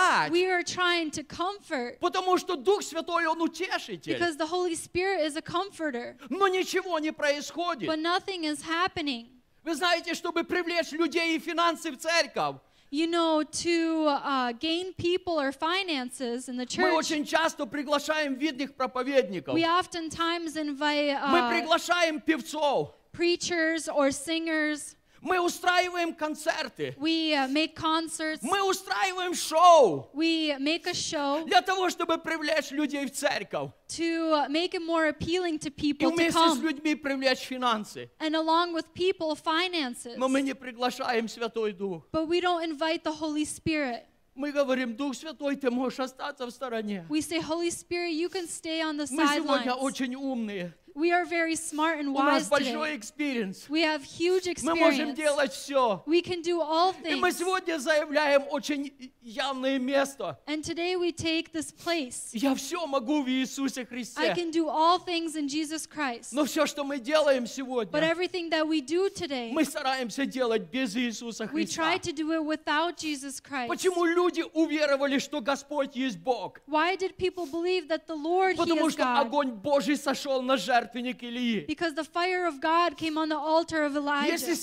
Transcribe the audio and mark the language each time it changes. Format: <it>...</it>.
<en>We are trying to comfort.</en> <ru>Потому что Дух Святой, Он утешитель.</ru> <en>Because the Holy Spirit is a comforter.</en> <ru>Но ничего не происходит.</ru> <en>But nothing is happening.</en> <ru>Вы знаете, чтобы привлечь людей и финансы в церковь,</ru> <en>you know, to gain people or finances in the church.</en> <ru>Мы очень часто приглашаем видных проповедников.</ru> <en>We oftentimes invite</en> <ru>мы приглашаем певцов.</ru> <en>Preachers or singers.</en> <ru>Мы устраиваем концерты.</ru> <en>We make concerts.</en> <ru>Мы устраиваем шоу.</ru> <en>We make a show.</en> <ru>Для того, чтобы привлечь людей в церковь.</ru> <en>To make it more appealing to people to come.</en> <ru>И вместе с людьми привлечь финансы.</ru> <en>And along with people, finances.</en> <ru>Но мы не приглашаем Святой Дух.</ru> <en>But we don't invite the Holy Spirit.</en> <ru>Мы говорим, Дух Святой, ты можешь остаться в стороне.</ru> <en>We say, Holy Spirit, you can stay on the sidelines.</en> <ru>Мы сегодня очень умные.</ru> <en>We are very smart and wise today. Experience. We have huge experience.</en> <ru>Мы можем делать все.</ru> <en>We can do all things.</en> <ru>И мы сегодня заявляем очень явное место.</ru> <en>And today we take this place.</en> <ru>Я все могу в Иисусе Христе.</ru> <en>I can do all things in Jesus Christ.</en> <ru>Но все, что мы делаем сегодня,</ru> <en>but everything that we do today,</en> <ru>мы стараемся делать без Иисуса Христа.</ru> <en>We try to do it without Jesus Christ.</en> <ru>Почему люди уверовали, что Господь есть Бог?</ru> <en>Why did people believe that the Lord is God?</en> <ru>Потому что огонь Божий сошел на жертву.</ru> <en>Because the fire of God came on the altar of Elijah.</en>